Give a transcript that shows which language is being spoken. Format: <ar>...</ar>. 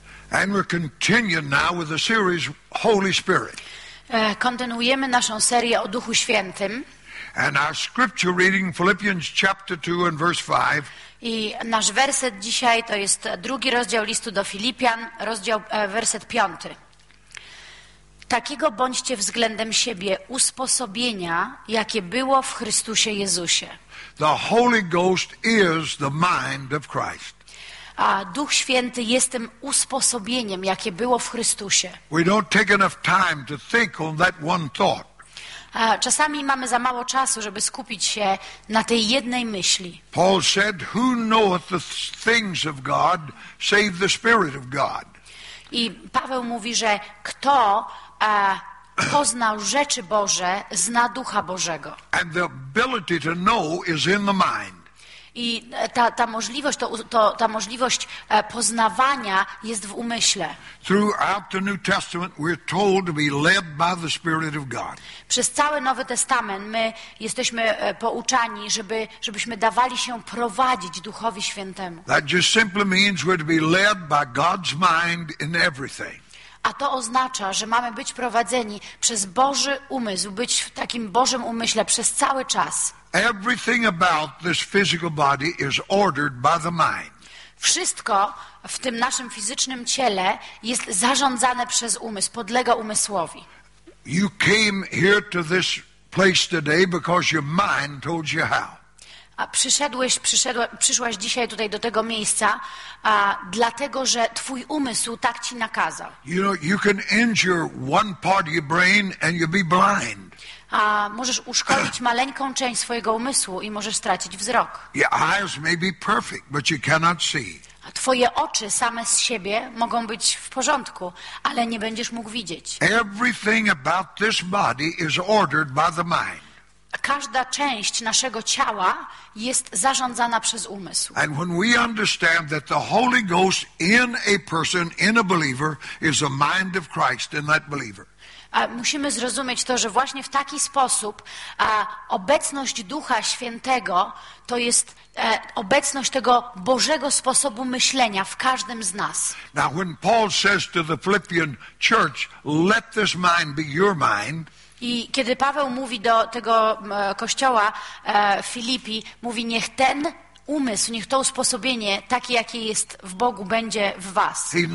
<en>And we're continuing now with the series Holy Spirit.</en> <pl>Kontynuujemy naszą serię o Duchu Świętym.</pl> <en>And our scripture reading Philippians chapter 2 and verse 5.</en> <pl>I nasz werset dzisiaj to jest drugi rozdział listu do Filipian, rozdział werset 5. Takiego bądźcie względem siebie usposobienia, jakie było w Chrystusie Jezusie.</pl> <en>The Holy Ghost is the mind of Christ.</en> <pl>A Duch Święty jest tym usposobieniem, jakie było w Chrystusie.</pl> <en>We don't take enough time to think on that one thought.</en> <pl>Czasami mamy za mało czasu, żeby skupić się na tej jednej myśli.</pl> <en>Paul said, who knoweth the things of God save the Spirit of God?</en> <pl>I Paweł mówi, że kto poznał rzeczy Boże, zna Ducha Bożego.</pl> <en>And the ability to know is in the mind.</en> <pl>I ta możliwość, ta możliwość poznawania jest w umyśle.</pl> <en>Throughout the New Testament we're told to be led by the Spirit of God.</en> <pl>Przez cały Nowy Testament my jesteśmy pouczani, żebyśmy dawali się prowadzić Duchowi Świętemu.</pl> <en>That just simply means we're to be led by God's mind in everything.</en> <pl>A to oznacza, że mamy być prowadzeni przez Boży umysł, być w takim Bożym umyśle przez cały czas.</pl> <en>Everything about this physical body is ordered by the mind.</en> <pl>Wszystko w tym naszym fizycznym ciele jest zarządzane przez umysł, podlega umysłowi.</pl> <en>You came here to this place today because your mind told you how.</en> <pl>A przyszłaś dzisiaj tutaj do tego miejsca, a dlatego że twój umysł tak ci nakazał.</pl> <en>You know, you can injure one part of your brain and you'll be blind.</en> <pl>A możesz uszkodzić maleńką część swojego umysłu i możesz stracić wzrok.</pl> <en>Your eyes may be perfect, but you cannot see.</en> <pl>A twoje oczy same z siebie mogą być w porządku, ale nie będziesz mógł widzieć.</pl> <en>Everything about this body is ordered by the mind.</en> <pl>Każda część naszego ciała jest zarządzana przez umysł.</pl> <en>And when we understand that the Holy Ghost in a person, in a believer, is the mind of Christ in that believer.</en> <pl>Musimy zrozumieć to, że właśnie w taki sposób obecność Ducha Świętego to jest obecność tego Bożego sposobu myślenia w każdym z nas.</pl> <en>Now when Paul says to the Philippian church, let this mind be your mind.</en> <pl>I kiedy Paweł mówi do tego kościoła Filipi, mówi niech ten umysł, niech to usposobienie takie, jakie jest w Bogu, będzie w was.</pl>